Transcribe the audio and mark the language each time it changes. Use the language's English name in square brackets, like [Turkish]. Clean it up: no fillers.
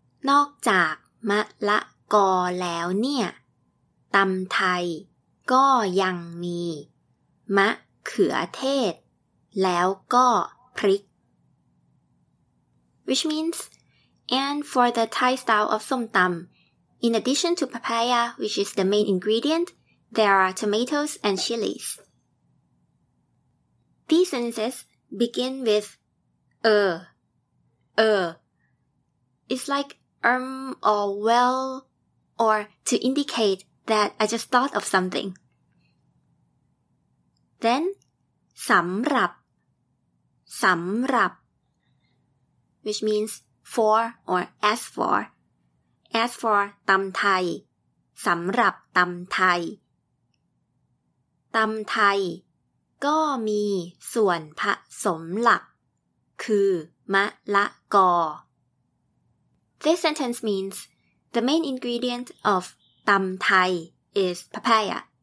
[Thai] นอกจากมะละกอแล้วเนี่ยตำไทยก็ยังมีมะเขือเทศแล้วก็พริก [English] Which means, and for the Thai style of som tam, in addition to papaya, which is the main ingredient, there are tomatoes and chilies. These sentences begin with It's like or well, or to indicate that I just thought of something. Then, สำหรับ, which means for or as for ตำไทย, [Thai] สำหรับตำไทย, ตำไทยก็มีส่วนผสมหลักคือมะละกอ [English] This sentence means the main ingredient of ตำไทยis papaya.